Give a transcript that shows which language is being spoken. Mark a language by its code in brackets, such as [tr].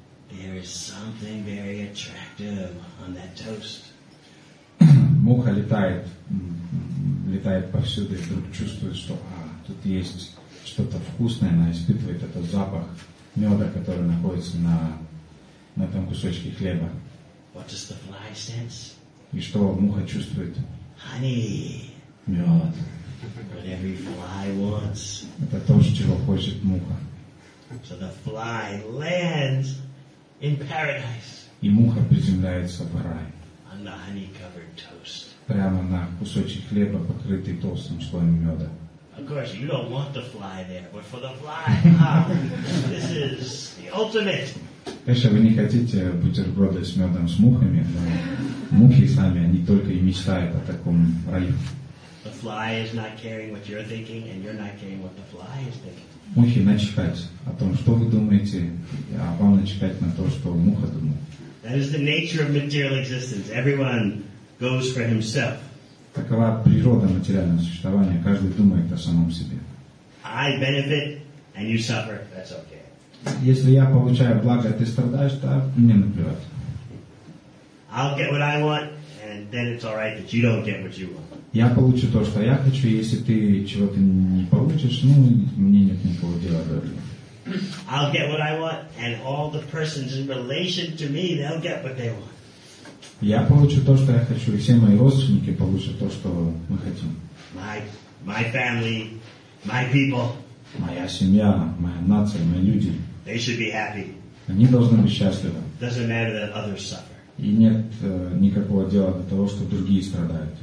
[en] There is something very attractive on that toast. [ru] Муха летает повсюду и вдруг чувствует, что тут есть что-то вкусное, она испытывает этот запах меда, который находится на этом кусочке хлеба. [en] What does the fly sense? [ru] И что муха чувствует? [en] Honey. [ru] Мед. [en] What every fly wants. [ru] Это то, чего хочет муха. [en] So the fly lands in paradise. [ru] И муха приземляется в рай. [en] On the honey-covered toast. [ru] Прямо на кусочек хлеба, покрытый толстым слоем меда. [en] Of course, you don't want the fly there, but for the fly, this is the ultimate. [ru] Конечно, вы не хотите бутерброды с медом с мухами, но мухи сами, они только и мечтают о таком раю. [en] The fly is not caring what you're thinking, and you're not caring what the fly is thinking. [ru] Мухе начихать о том, что вы думаете, а вам начихать на то, что муха думает. [en] That is the nature of material existence. Everyone goes for himself. [ru] Такова природа материального существования. Каждый думает о самом себе. [en] I benefit and you suffer. That's okay. [ru] Если я получаю благо, а ты страдаешь, то мне наплевать. [en] I'll get what I want and then it's all right that you don't get what you want. [ru] Я получу то, что я хочу, если ты чего-то не получишь, ну, мне нет никакого дела до этого. [en] I'll get what I want, and all the persons in relation to me, they'll get what they want. [ru] Я получу то, что я хочу, и все мои родственники получат то, что мы хотим. [en] My family, my people. [ru] Моя семья, моя нация, мои люди. [en] They should be happy. [ru] Они должны быть счастливы. [en] Doesn't matter that others suffer. [ru] И нет никакого дела до того, что другие страдают.